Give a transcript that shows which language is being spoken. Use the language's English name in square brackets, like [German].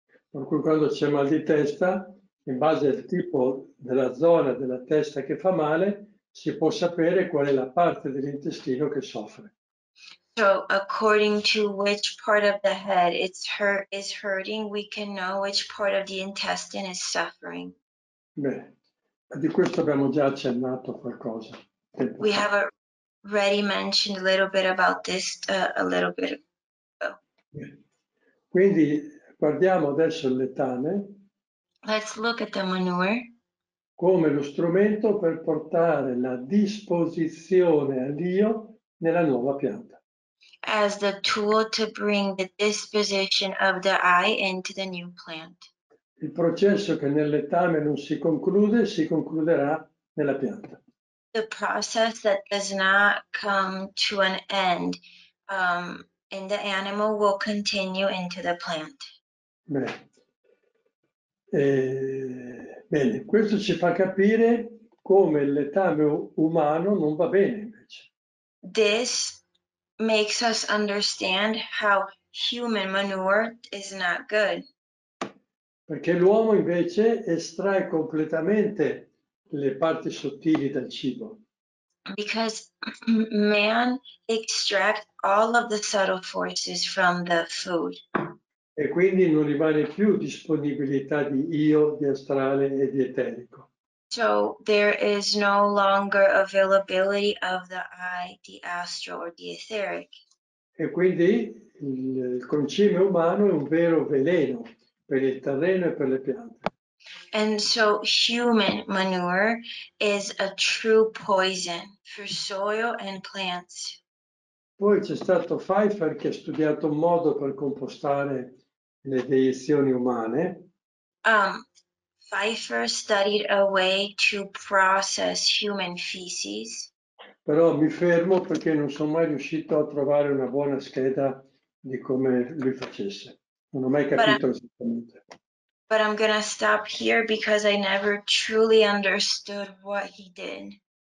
[Italian] Per cui quando c'è mal di testa, in base al tipo della zona della testa che fa male, si può sapere qual è la parte dell'intestino che soffre. [English] So according to which part of the head is hurting, we can know which part of the intestine is suffering. [Italian] Bene. Di questo abbiamo già accennato qualcosa. [English] We have already mentioned a little bit about this a little bit ago. [Italian] Quindi guardiamo adesso il letame. [English] Let's look at the manure. [Italian] Come lo strumento per portare la disposizione a Dio nella nuova pianta. [English] As the tool to bring the disposition of the eye into the new plant. [Italian] Il processo che nell'etame non si conclude, si concluderà nella pianta. [English] The process that does not come to an end in the animal will continue into the plant. [Italian] Bene. Bene, questo ci fa capire come il letame umano non va bene invece. [English] This makes us understand how human manure is not good. [Italian] Perché l'uomo invece estrae completamente le parti sottili dal cibo. [English] Because man extract all of the subtle forces from the food. [Italian] E quindi non rimane più disponibilità di io, di astrale e di eterico. [English] So there is no longer availability of the I, the astral or the etheric. [Italian] E quindi il concime umano è un vero veleno per il terreno e per le piante. [English] And so human manure is a true poison for soil and plants. [Italian] Poi c'è stato Pfeiffer che ha studiato un modo per compostare le deiezioni umane. [English] Pfeiffer studied a way to process human feces. [Italian] Però mi fermo perché non sono mai riuscito a trovare una buona scheda di come lui facesse. Non ho mai capito esattamente. [English] But I'm gonna stop here because I never truly understood what he did.